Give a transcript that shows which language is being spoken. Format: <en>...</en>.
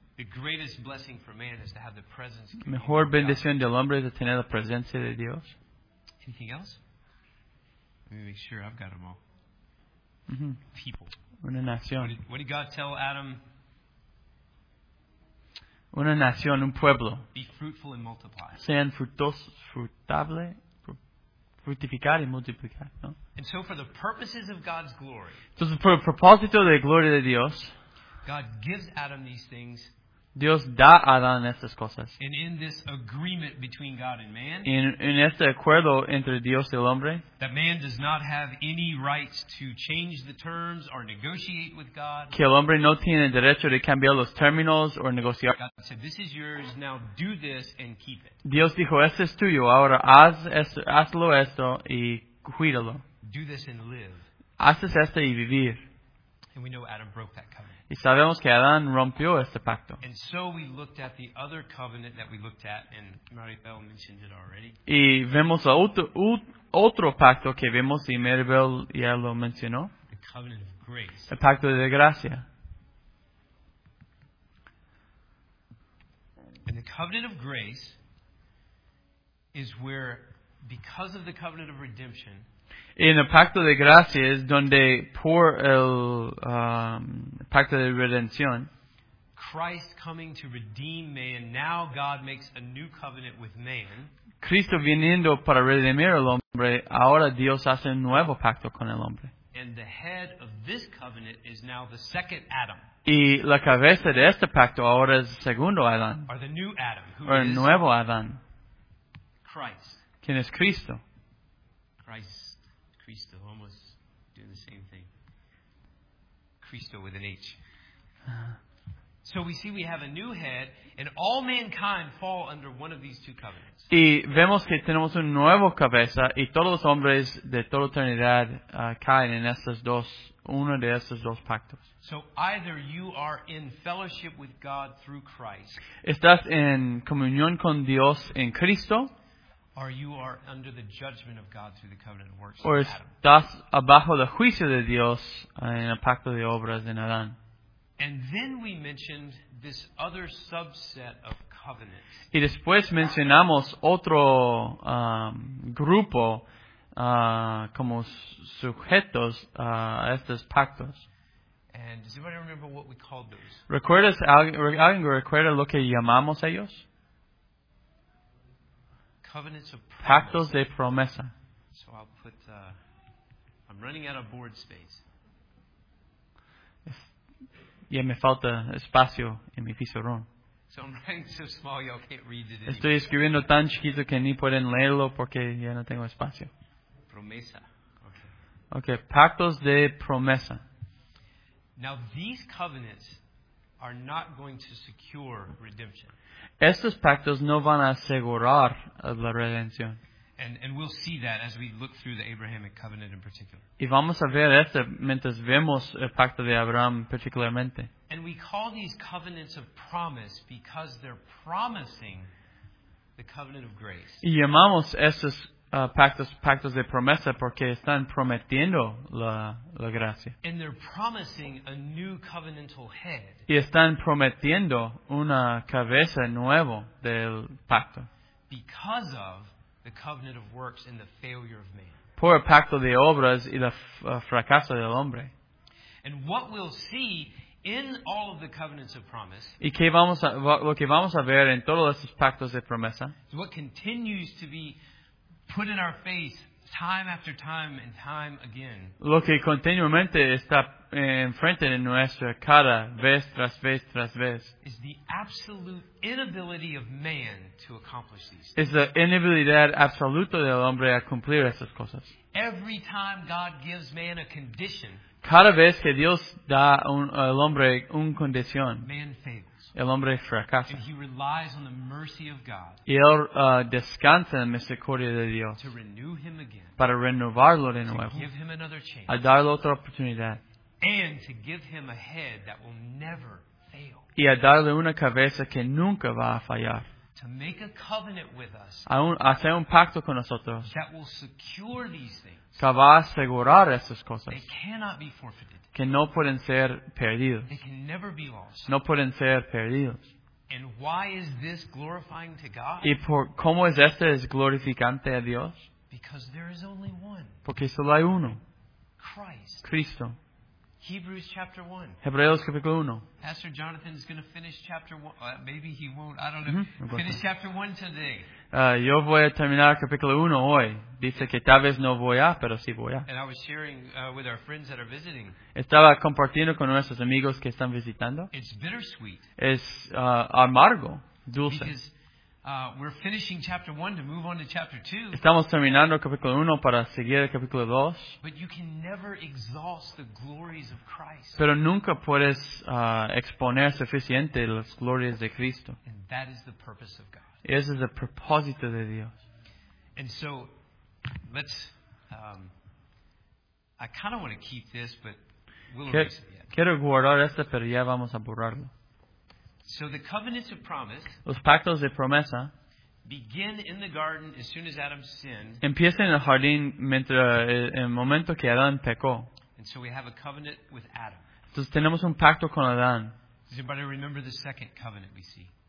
<en>The greatest blessing for man is to have the presence.</en> <es>Mejor bendición del hombre es tener la presencia de Dios.</es> <en>Anything else? Let me make sure I've got them all. Mm-hmm. People.</en> <es>Una nación.</es> <en>What did God tell Adam?</en> <es>Una nación, un pueblo.</es> <en>Be fruitful and multiply.</en> <es>Sean frutable, fructificar y multiplicar. No?</es> <en>And so for the purposes of God's glory.</en> <es>Entonces, por el propósito de la gloria de Dios.</es> <en>God gives Adam these things.</en> <es>Dios da a Adán estas cosas.</es> <en>And in this agreement between God and man,</en> <es>en este acuerdo entre Dios y el hombre,</es> <en>that man does not have any rights to change the terms or negotiate with God.</en> <es>Que el hombre no tiene derecho de cambiar los términos o negociar.</es> <en>God said, "This is yours. Now do this and keep it."</en> <es>Dios dijo, "Este es tuyo. Ahora haz esto, hazlo esto y cuídalo."</es> <en>Do this and live.</en> <es>Haces esto y vivir.</es> <en>And we know Adam broke that covenant.</en> <es>Y sabemos que Adán rompió este pacto.</es> <en>And so we looked at the other covenant that we looked at, and Maribel mentioned it already.</en> <es>Y vemos otro pacto que vemos, y Maribel ya lo mencionó.</es> <en>The covenant of grace.</en> <es>El pacto de gracia.</es> <en>And the covenant of grace is where, because of the covenant of redemption,</en> <es>en el pacto de gracia es donde por el pacto de redención,</es> <en>Christ coming to redeem man, now God makes a new covenant with man.</en> <es>Cristo viniendo para redimir al hombre, ahora Dios hace un nuevo pacto con el hombre.</es> <en>And the head of this covenant is now the second Adam.</en> <es>Y la cabeza de este pacto ahora es el segundo Adán.</es> <en>Or the new Adam, who</en> <es>or el nuevo Adán.</es> <en>Christ.</en> <es>¿Quién es Cristo?</es> <en>Christ. Cristo, almost doing the same thing. Cristo with an H. So we see we have a new head, and all mankind fall under one of these two covenants.</en> <es>Y vemos que tenemos un nuevo cabeza, y todos los hombres de toda eternidad caen en estas dos, uno de estos dos pactos.</es> <en>So either you are in fellowship with God through Christ.</en> <es>Estás en comunión con Dios en Cristo.</es> <en>Or you are under the judgment of God through the covenant of works.</en> <es>Or estás abajo del juicio de Dios en el pacto de obras en Adán.</es> <en>And then we mentioned this other subset of covenants.</en> <es>Y después mencionamos otro grupo como sujetos a estos pactos.</es> <en>And does anybody remember what we called those?</en> <es>¿Recuerdas, alguien recuerda lo que llamamos ellos?</es> <en>Covenants of promise.</en> <es>Pactos de promesa.</es> <en>So I'll put, I'm running out of board space.</en> <es>Ya me falta espacio en mi pizarrón.</es> <en>So I'm writing so small y'all can't read it.</en> <es>Estoy escribiendo tan chiquito que ni pueden leerlo porque ya no tengo espacio. Promesa. Okay, pactos de promesa.</es> <en>Now these covenants are not going to secure redemption.</en> <es>Estos pactos no van a asegurar la redención.</es> <en>And we'll see that as we look through the Abrahamic covenant in particular.</en> <es>Y vamos a ver esto mientras vemos el pacto de Abraham particularmente.</es> <en>And we call these covenants of promise because they're promising the covenant of grace.</en> <es>Y llamamos estos pactos de promesa porque están prometiendo la gracia.</es> <en>And they're promising a new covenantal head.</en> <es>Y están prometiendo una cabeza nueva del pacto.</es> <en>Because of the covenant of works and the failure of man.</en> <es>Por el pacto de obras y el fracaso del hombre.</es> <en>And what we'll see in all of the covenants of promise.</en> <es>Y que vamos a, lo que vamos a ver en todos estos pactos de promesa.</es> <en>What continues to be put in our face time after time and time again.</en> <es>Lo que continuamente está enfrente de nuestra cara vez tras vez tras vez.</es> <en>Is the absolute inability of man to accomplish these things.</en> <es>Es la inhabilidad absoluta del hombre a cumplir estas cosas.</es> <en>Every time God gives man a condition.</en> <es>Cada vez que Dios da al hombre una condición.</es> <en>Man fails.</en> <es>El hombre fracasa.</es> <en>And he relies on the mercy of God.</en> <es>Y él descansa en la misericordia de Dios.</es> <en>To renew him again.</en> <es>Para renovarlo de nuevo.</es> <en>To give him another chance.</en> <es>A darle otra oportunidad.</es> <en>And to give him a head that will never fail.</en> <es>Y a darle una cabeza que nunca va a fallar.</es> <en>To make a covenant with us.</en> <es>Hacer un pacto con nosotros.</es> <en>That will secure these things.</en> <es>Que va a asegurar estas cosas.</es> <en>They cannot be forfeited.</en> <es>Que no pueden ser perdidos.</es> <en>They can never be lost.</en> <es>No pueden ser perdidos.</es> <en>And why is this glorifying to God?</en> <es>¿Y por cómo es esto es glorificante a Dios?</es> <en>Because there is only one.</en> <es>Porque solo hay uno.</es> <en>Christ.</en> <es>Cristo.</es> <en>Hebrews chapter 1.</en> <es>Hebreos capítulo 1.</es> <en>Pastor Jonathan is going to finish chapter 1. Maybe he won't. I don't know. Finish chapter 1 today.</en> <es>yo voy a terminar capítulo 1 hoy. Dice que tal vez no voy a, pero sí voy a.</es> <en>And I was sharing with our friends that are visiting.</en> <es>Estaba compartiendo con nuestros amigos que están visitando.</es> <en>It's bittersweet.</en> <es>Es amargo, dulce.</es> <en>Because we're finishing chapter 1 to move on to chapter 2.</en> <es>Estamos terminando el capítulo 1 para seguir el capítulo 2.</es> <en>But you can never exhaust the glories of Christ.</en> <es>Pero nunca puedes exponer suficiente las glorias de Cristo.</es> <en>And that is the purpose of God.</en> <es>Ese es el propósito de Dios.</es> <en>And so, let's I kind of want to keep this, but we'll erase it yet.</en> <es>Quiero guardar este, pero ya vamos a borrarlo.</es> <en>So the covenants of promise,</en> <es>los pactos de promesa,</es> <en>begin in the garden as soon as Adam sinned.</en> <es>Empieza en el jardín mientras el momento que Adán pecó.</es> <en>And so we have a covenant with Adam.</en> <es>Entonces tenemos un pacto con Adán.</es> <en>Does anybody remember the second covenant we see?</en>